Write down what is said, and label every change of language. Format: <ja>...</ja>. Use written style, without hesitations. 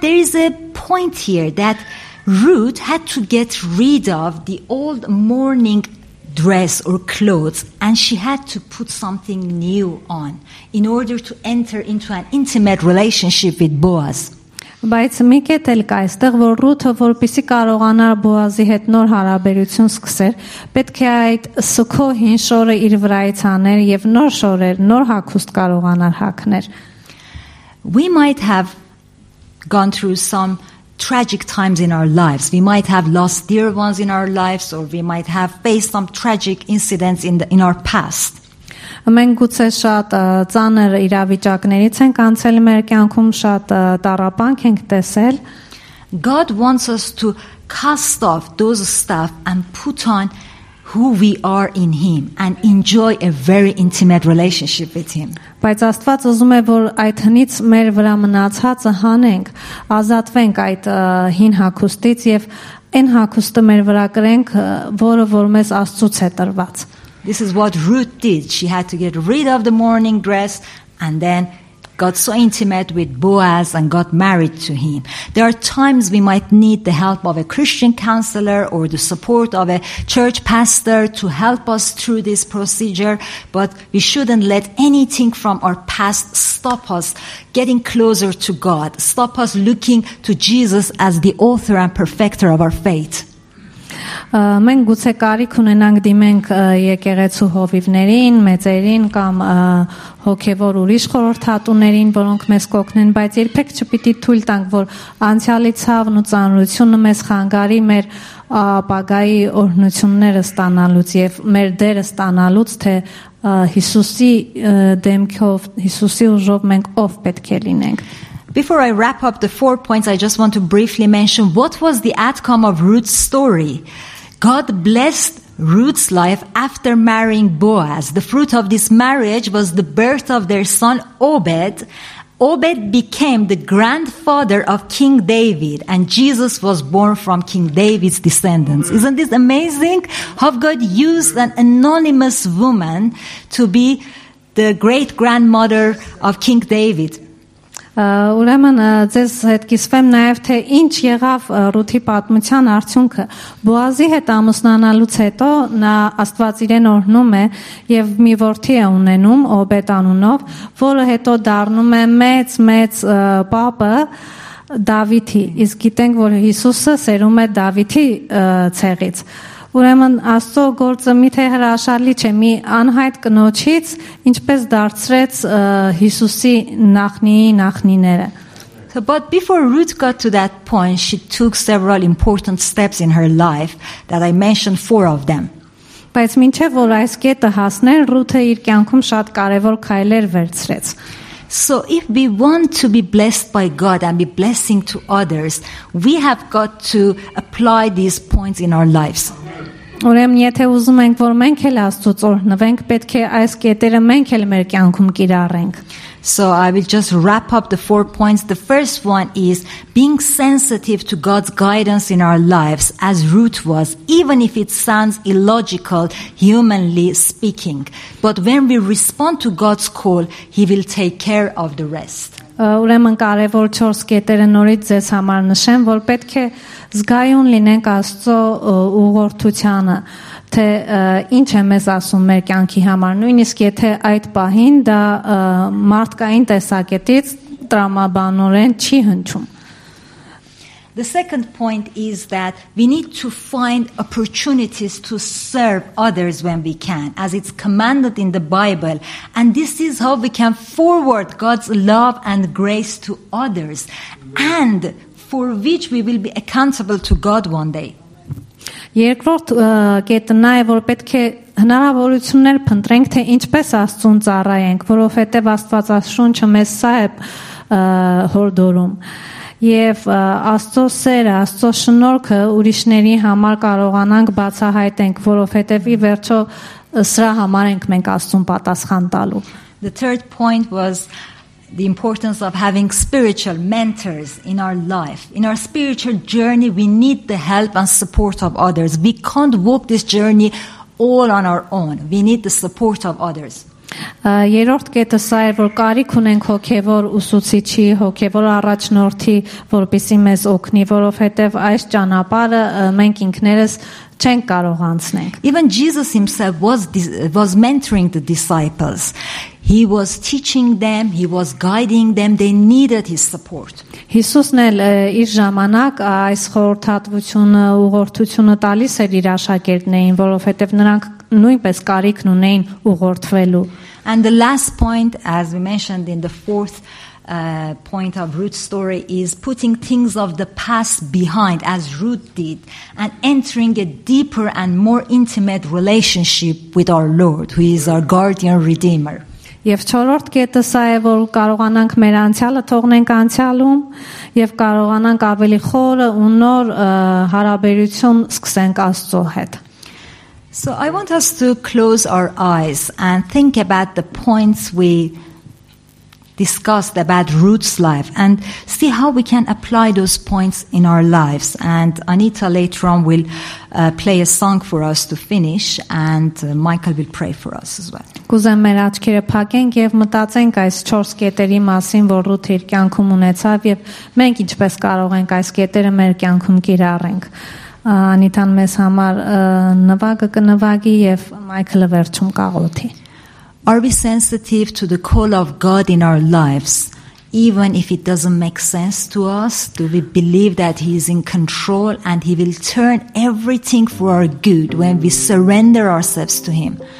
<en>there is a point here that Ruth had to get rid of the old mourning dress or clothes, and she had to put something new on in order to enter into an intimate relationship with Boaz.</en> <hy>Բայց մի կետ էլ կա այստեղ, որ Ռութը, որպեսզի կարողանար Բոազի հետ նոր հարաբերություն սկսել, պետք է այդ սուքո հին շորը իր վրայից հաներ եւ նոր շորեր, նոր հագուստ կարողանար հագնել.</hy> <en>We might have gone through some tragic times in our lives. We might have lost dear ones in our lives, or we might have faced some tragic incidents in our past.</en> <hy>Մենք գուցե շատ ծանր իրավիճակներից ենք անցել մեր կյանքում, շատ տառապանք ենք տեսել.</hy> <en>God wants us to cast off those stuff and put on who we are in Him and enjoy a very intimate relationship with Him.</en> <hy>Բայց Աստված ուզում է, որ այդ հնից մեր վրա մնացածը հանենք, ազատվենք այդ հին հագուստից եւ այն հագուստը մեր վրա կրենք, որը որ մեզ Աստծուց է տրված.</hy> <en>This is what Ruth did. She had to get rid of the mourning dress and then got so intimate with Boaz and got married to him. There are times we might need the help of a Christian counselor or the support of a church pastor to help us through this procedure, but we shouldn't let anything from our past stop us getting closer to God, stop us looking to Jesus as the author and perfecter of our faith.</en> <hy>Մենք գուցե կարիք ունենանք դիմենք եկեղեցու հովիվներին, մեծերին կամ հոգևոր ուրիշ խորհրդատուներին, որոնք մեզ կօգնեն, բայց երբեք չպիտի թույլ տանք, որ անցյալի ցավն ու ծանրությունը մեզ խանգարի մեր ապագայի օրհնությունները ստանալուց եւ մեր դերը ստանալուց, թե Հիսուսի դեմքով, Հիսուսի ուժով մենք ով պետք է լինենք.</hy> <en>Before I wrap up the 4 points, I just want to briefly mention what was the outcome of Ruth's story. God blessed Ruth's life after marrying Boaz. The fruit of this marriage was the birth of their son Obed. Obed became the grandfather of King David, and Jesus was born from King David's descendants. Isn't this amazing? How God used an anonymous woman to be the great-grandmother of King David.</en> <hy>Ուրեմն ձեզ հետ կիսվեմ նաև, թե ինչ եղավ Ռութի պատմության արդյունքը։ Բոազի հետ ամուսնանալուց հետո նա Աստված իրեն օրհնում է եւ մի որդի է ունենում Օբեդ անունով, որը հետո դառնում է մեծ-մեծ պապը Դավիթի։ Իսկ գիտենք, որ Հիսուսը սերում է Դավիթի ցեղից։ Ուրեմն Աստծո գործը մի թե հրաշալի չէ, մի անհայտ կնոջից ինչպես դարձրեց Հիսուսի նախնիները.</hy> <en>But before Ruth got to that point, she took several important steps in her life that I mentioned 4 of them.</en> <hy>Բայց մինչև որ այս կետը հասներ, Ռութը իր կյանքում շատ կարևոր քայլեր վերցրեց.</hy> <en>So if we want to be blessed by God and be blessing to others, we have got to apply these points in our lives.</en> <hy>Ուրեմն եթե ուզում ենք, որ մենք էլ Աստծուց օրհնվենք, պետք է այս կետերը մենք էլ մեր կյանքում կիրառենք.</hy> <en>So I will just wrap up the 4 points. The first one is being sensitive to God's guidance in our lives, as Ruth was, even if it sounds illogical, humanly speaking. But when we respond to God's call, He will take care of the rest.</en> <hy>Ուրեմն կարևոր 4 կետերը նորից ձեզ համար նշեմ, որ պետք է զգայուն լինենք Աստծո ուղղորդությանը, թե ինչ է մեզ ասում մեր կյանքի համար, նույնիսկ եթե այդ պահին դա մարդկային տեսակետից տրամաբանորեն չի հնչում։</hy> <en>The second point is that we need to find opportunities to serve others when we can, as it's commanded in the Bible. And this is how we can forward God's love and grace to others, and for which we will be accountable to God one day.</en> <hy>Երկրորդ կետը նաև որ պետք է հնարավորություններ փնտրենք, թե ինչպես Աստծուն ծառայենք, որովհետև Աստված աշունչը մեզ սա է հորդորում։ Եվ Աստծո սերը, Աստծո շնորհքը ուրիշների համար կարողանանք բացահայտենք, որովհետև ի վերջո սրա համար ենք մենք Աստծուն պատասխան տալու։</hy> <en>The third point was the importance of having spiritual mentors in our life. In our spiritual journey, we need the help and support of others. We can't walk this journey all on our own. We need the support of others.</en> <hy>Երրորդ կետը սա է, որ կարիք ունենք հոգևոր ուսուցիչի, հոգևոր առաջնորդի, որպեսզի մեզ օգնի, որովհետև այս ճանապարհը մենք ինքներս չենք կարող անցնել.</hy> <en>Even Jesus himself was mentoring the disciples. He was teaching them, he was guiding them, they needed his support.</en> <hy>Հիսուսն էլ իր ժամանակ այս խորհրդատվությունը, ուղղորդությունը տալիս էր իր աշակերտներին, որովհետև նրանք նույնպես կարիքն ունեին ուղղորդվելու.</hy> <en>And the last point, as we mentioned in the fourth point of Ruth's story, is putting things of the past behind, as Ruth did, and entering a deeper and more intimate relationship with our Lord, who is our guardian redeemer.</en> <hy>Եվ չորրորդ կետը սա է, որ կարողանանք մեր անցյալը թողնենք անցյալում եւ կարողանանք ավելի խորը ու նոր հարաբերություն սկսենք Աստծո հետ.</hy> <en>So I want us to close our eyes and think about the points we discussed about Ruth's life and see how we can apply those points in our lives. And Anita later on will play a song for us to finish, and Michael will pray for us as well.</en> <hy>Կուզեմ մեր աչքերը փակենք եւ մտածենք այս 4 կետերի մասին, որ Ruth իր կյանքում ունեցավ եւ մենք ինչպես կարող ենք այս կետերը մեր կյանքում կիրառենք։ Անիտան մեզ համար նվագը կնվագի եւ Մայքլը վերջում կաղոթի։</hy> <en>Are we sensitive to the call of God in our lives, even if it doesn't make sense to us? Do we believe that He is in control and He will turn everything for our good when we surrender ourselves to Him?</en>